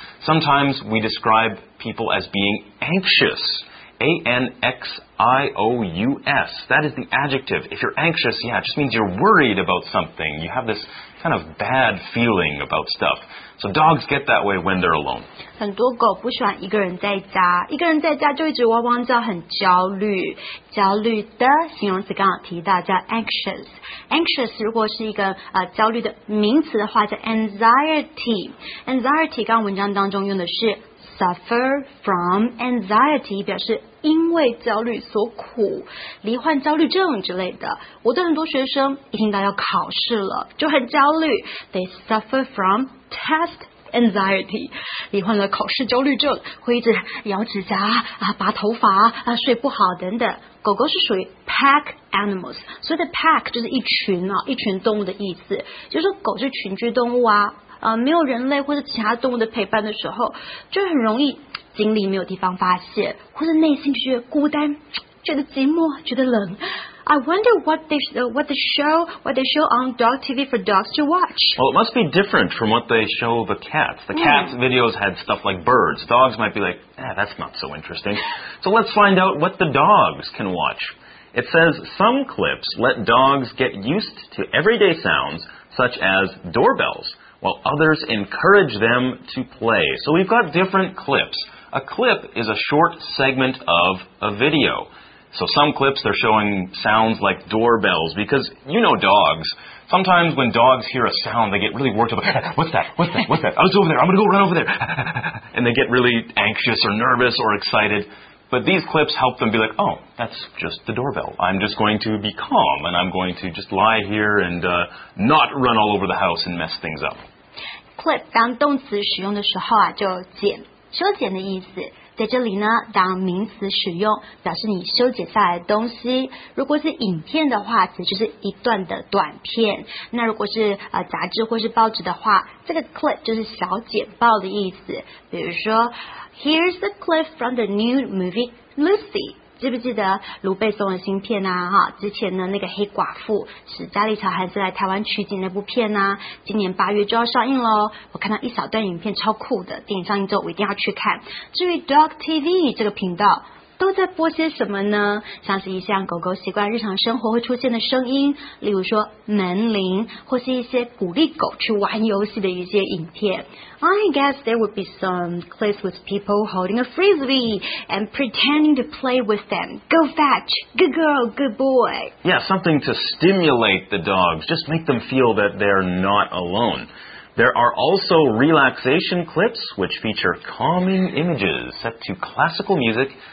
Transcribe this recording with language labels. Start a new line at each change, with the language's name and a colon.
English: Sometimes we describe people as being anxious. A-N-X-I-O-U-S. That is the adjective. If you're anxious, yeah, it just means you're worried about something. You have this kind of bad feeling about stuff. So dogs get that way when they're alone.
Chinese: 很多狗不喜欢一个人在家，一个人在家就一直汪汪叫，很焦虑。焦虑的形容词刚好提到叫 anxious。Anxious 如果是一个焦虑的名词的话叫 anxiety。 Anxiety 刚刚文章当中用的是
English: suffer from anxiety
Chinese: 表示因为焦虑所苦，罹患焦虑症之类的。我的很多学生一听到要考试了就很焦虑，
English: they suffer from test anxiety，
Chinese: 罹患了考试焦虑症，会一直咬指甲啊，拔头发啊，睡不好等等。狗狗是属于
English: pack animals，
Chinese: 所以的 pack 就是一群啊，一群动物的意思，就是狗是群居动物啊。没有人类或者其他动物的陪伴的时候，就很容易精力没有地方发泄，或者内心觉得孤单，觉得寂寞，觉得冷。
English: I wonder what they show on dog TV for dogs to watch. Well, it must be different from what they show the cats. The cats videos had stuff like birds. Dogs might be like, that's not so interesting. So let's find out what the dogs can watch. It says some clips let dogs get used to everyday sounds such as doorbells. While others encourage them to play. So we've got different clips. A clip is a short segment of a video. So some clips, they're showing sounds like doorbells, because you know dogs. Sometimes when dogs hear a sound, they get really worked up. What's that? I was over there. I'm going to go run over there. And they get really anxious or nervous or excited. But these clips help them be like, oh, that's just the doorbell. I'm just going to be calm, and I'm going to just lie here and not run all over the house and mess things up.
Chinese: Clip 当动词使用的时候啊，就剪，修剪的意思。在这里呢，当名词使用，表示你修剪下来的东西。如果是影片的话，其实就是一段的短片。那如果是杂志或是报纸的话，这个 clip 就是小剪报的意思。比如说 ，
English: Here's the clip from the new movie Lucy。
Chinese: 记不记得卢贝松的新片啊？哈，之前呢那个黑寡妇是加里乔韩斯来台湾取景那部片啊，今年八月就要上映喽。我看到一小段影片，超酷的。电影上映之后，我一定要去看。至于 Dog TV 这个频道都在播些什么呢？像是一些狗狗习惯日常生活会出现的声音，例如说门铃，或是一些鼓励狗去玩游戏的一些影片。
English: I guess there would be some clips with people holding a frisbee and pretending to play with them. Go fetch, good girl, good boy. Yeah, something to stimulate the dogs, just make them feel that they're not alone. There are also relaxation clips which feature calming images set to classical music.